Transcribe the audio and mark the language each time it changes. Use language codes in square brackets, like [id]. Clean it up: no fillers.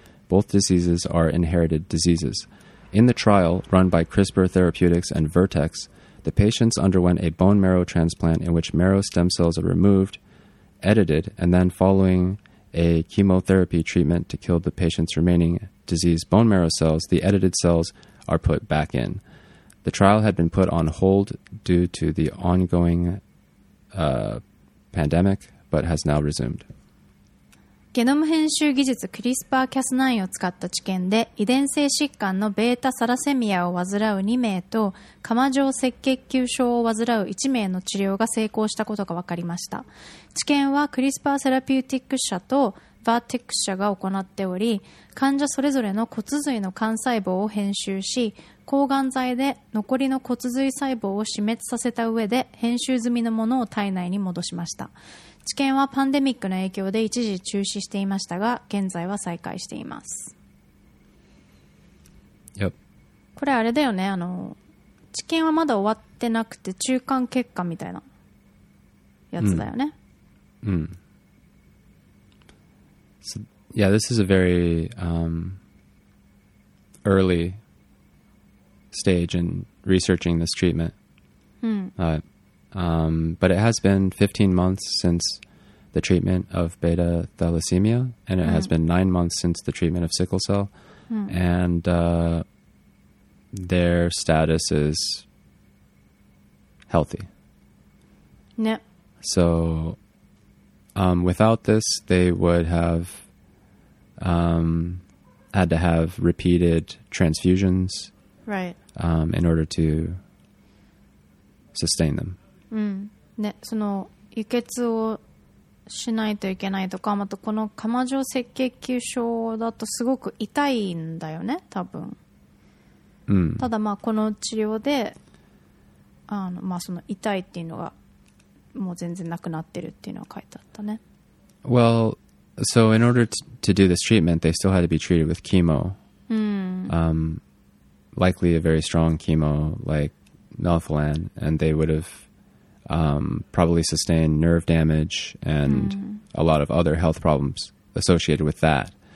[en] Both diseases are inherited diseases. In the trial run by CRISPR Therapeutics and Vertex, the patients underwent a bone marrow transplant in which marrow stem cells are removed, edited, and then following a chemotherapy treatment to kill the patient's remaining diseased bone marrow cells, the edited cells are put back in. The trial had been put on hold due to the ongoing pandemic, but has now resumed. [ja] ゲノム編集技術 CRISPR-Cas9 を使った治験で遺伝性疾患のベータサラセミアを患う2名と釜状赤血球症を患う1名の治療が成功したことが分かりました。治験は CRISPR セラピューティック社と Vertex 社が行っており、患者それぞれの骨髄の幹細胞を編集し、抗がん剤で残りの骨髄細胞を死滅させた上で編集済みのものを体内に戻しました。治験はパンデミックの影響で一時中止していましたが、現在は再開しています。 [en] Yep. [ja] これあれだよね、あの、治験はまだ終わってなくて中間結果みたいなやつだよね。 [en] So, yeah, this is a very early stage in researching this treatment. But it has been 15 months since the treatment of beta thalassemia, and it has been 9 months since the treatment of sickle cell, and their status is healthy. Yep. So without this, they would have had to have repeated transfusions in order to sustain them. [ja] その輸血をしないといけないとか、またこの釜状赤血球症だとすごく痛いんだよね、多分。ただまあこの治療で、あの、まあその痛いっていうのがもう全然なくなってるっていうのは書いてあったね。 [en] Well, so in order to do this treatment, they still had to be treated with chemo. Likely a very strong chemo like melphalan, and they would have probably sustained nerve damage and a lot of other health problems associated with that.